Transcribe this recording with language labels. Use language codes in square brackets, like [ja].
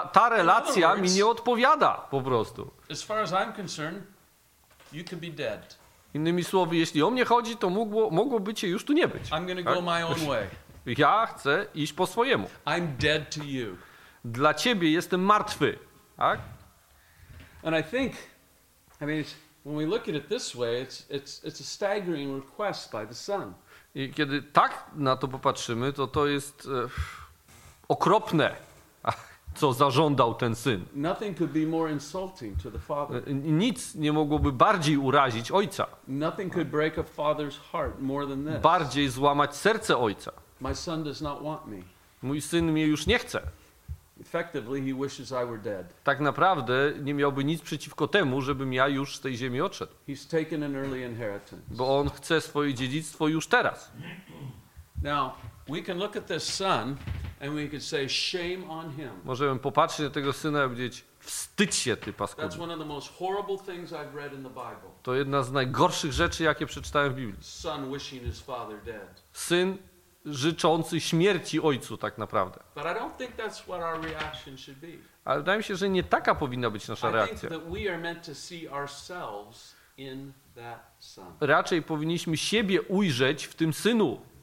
[pl] Ta relacja mi nie odpowiada po prostu. [en] As far as I'm concerned, you could be dead. [pl] Innymi słowy, jeśli o mnie chodzi, to mogłoby cię już tu nie być. [en] I'm going to go my own way. [pl] Ja chcę iść po swojemu. [en] I'm dead to you. [pl] Dla ciebie jestem martwy. Tak? [en] And I think, I mean, when we look at it this way, it's a staggering request by the Son. [pl] I kiedy tak na to popatrzymy, to to jest okropne, co zażądał ten syn. [en] Nothing could be more insulting to the father. [pl] Nic nie mogłoby bardziej urazić ojca. [en] Nothing could break a father's heart more than this. [pl] Bardziej złamać serce ojca. [en] My son does not want me. [pl] Mój syn mnie już nie chce. [en] Effectively, he wishes I were dead. [pl] Tak naprawdę nie miałby nic przeciwko temu, żebym ja już z tej ziemi odszedł. [en] He's taken an early inheritance. [pl] Bo on chce swoje dziedzictwo już teraz. [en] Now, we can look at this son and we can say shame on him. [pl] Możemy popatrzeć na tego syna i powiedzieć: wstydź się, ty paskudny. [en] That's one of the most horrible things I've read in the Bible. [pl] To jedna z najgorszych rzeczy, jakie przeczytałem w Biblii. [en] Son wishing his father dead. [pl] Syn życzący śmierci ojcu, tak naprawdę. [en] But I don't think that's what our reaction should be. [pl] Ale wydaje mi się, że nie taka powinna być nasza reakcja. [en] I think that we are meant to see ourselves in that son. [pl] Raczej powinniśmy siebie ujrzeć w tym synu.